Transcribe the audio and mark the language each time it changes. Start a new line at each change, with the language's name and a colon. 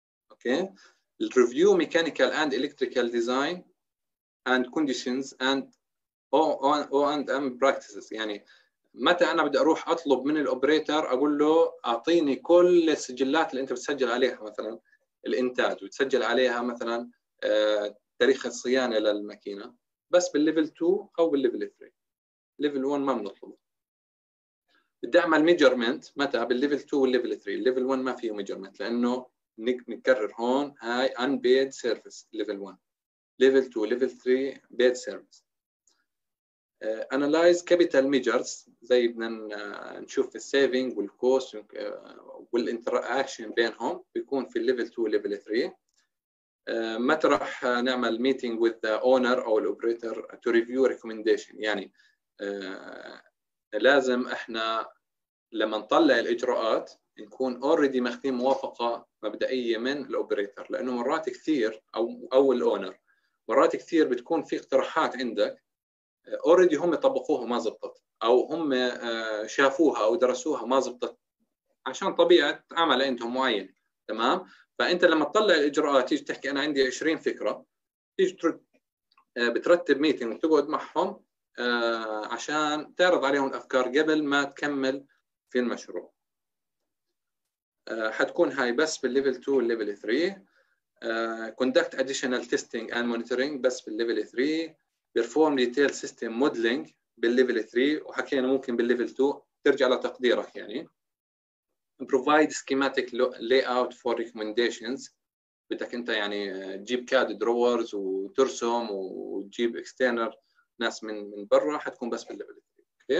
Arabic: اوكي،
English: الريفيو mechanical and electrical design and conditions and O and M practices,
Arabic: يعني متى انا بدي اروح اطلب من الاوبريتر اقول له اعطيني كل السجلات اللي انت بتسجل عليها مثلا الانتاج، وتسجل عليها مثلا تاريخ الصيانه للماكينه، بس بالليفل 2 او بالليفل 3. ليفل 1 ما بنطلبه. بدي اعمل ميجرمنت متى؟ بالليفل 2 والليفل 3. الليفل 1 ما فيه ميجرمنت لانه نكرر هون هاي
English: unpaid service level 1. level 2 level 3 paid service. analyze capital measures
Arabic: زي بدنا نشوف في saving والcost والinteraction بينهم بيكون في
English: level 2 level 3.
Arabic: متى راح نعمل
English: meeting with the owner
Arabic: أو
English: the operator to review recommendation،
Arabic: يعني لازم احنا لما نطلع الإجراءات نكون already ماخذين موافقة مبدئية من الأوبريتر، لأنه مرات كثير أو الأونر مرات كثير بتكون في اقتراحات عندك already هم طبقوها ما زبطت، أو هم شافوها أو درسوها ما زبطت عشان طبيعة عمل عندهم معين. تمام، فأنت لما تطلع الإجراءات تيجي تحكي أنا عندي 20 فكرة، تيجي بترتب ميتنج وتقعد معهم عشان تعرض عليهم الأفكار قبل ما تكمل في المشروع. حتكون هاي بس بالليفل 2 والليفل 3.
English: conduct additional testing and monitoring
Arabic: بس بالليفل 3.
English: perform detailed system modeling
Arabic: بالليفل 3، وحكينا ممكن بالليفل 2 ترجع لتقديرك يعني.
English: provide schematic layout for recommendations
Arabic: بدك انت يعني تجيب CAD drawers وترسم وتجيب external ناس من برا، حتكون بس بالليفل 3.